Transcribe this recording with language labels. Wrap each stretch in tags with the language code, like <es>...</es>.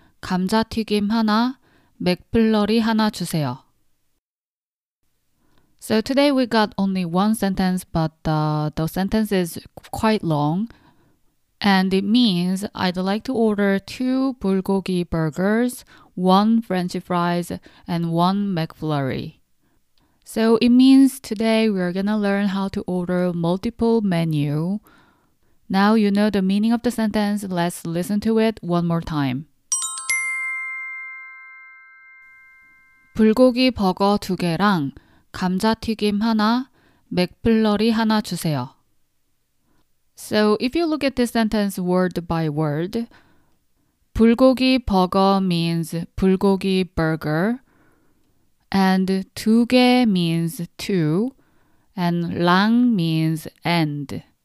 <ko>감자튀김 하나, 맥플러리 하나 주세요.</ko> <en>So today we got only one sentence, but the sentence is quite long. And it means, I'd like to order two bulgogi burgers, one french fries, and one McFlurry. So it means today we are gonna learn how to order multiple menu. Now you know the meaning of the sentence, let's listen to it one more time.</en> <ko>불고기 버거 두 개랑 감자튀김 하나, 맥플러리 하나 주세요.</ko> <en>So if you look at this sentence word by word, 불고기 버거 means 불고기 burger, and</en> <ko>두 개</ko> <en>means two, and 랑 means and.</en>